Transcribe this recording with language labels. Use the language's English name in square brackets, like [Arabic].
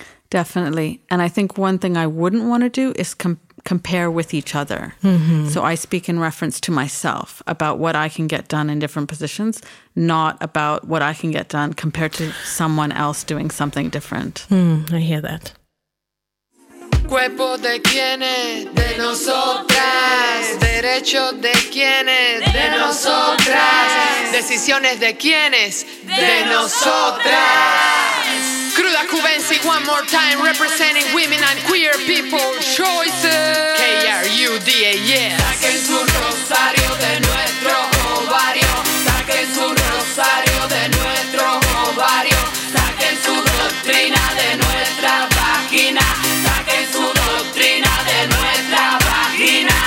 [English] Definitely. And I think one thing I wouldn't want to do is compare with each other. Mm-hmm. So I speak in reference to myself about what I can get done in different positions, not about what I can get done compared to someone else doing something different. Mm, I hear that. [Spanish] Cuerpo de quienes, de nosotras. Derecho de quienes, de nosotras. Decisiones de quienes, de nosotras. [English] Cruda Cubensi, one more time, representing women and queer people choices. KRUDAS. [Spanish] Saquen su rosario de nuestro ovario. Saquen su rosario de nuestro ovario. Saquen su doctrina de nuestra vagina. Saquen su doctrina de nuestra vagina.